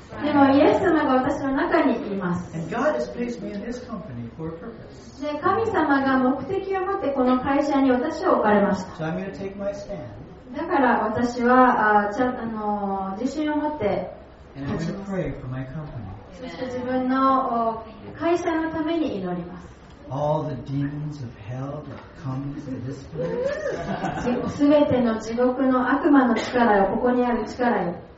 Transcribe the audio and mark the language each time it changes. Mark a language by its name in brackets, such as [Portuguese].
[Japanese] でもイエス様が私の中にいます。 [English] And God has placed me in His company for a purpose. [Japanese] で、神様が目的を持ってこの会社に私を置かれました。 [English] So I'm going to take my stand. [Japanese] だから私は自信を持って [English] And I'm going to pray for my company. [Japanese] そして自分の会社のために祈ります。 [English] All the demons of hell that come to this place. [Japanese] すべての地獄の悪魔の力よ、ここにある力よ。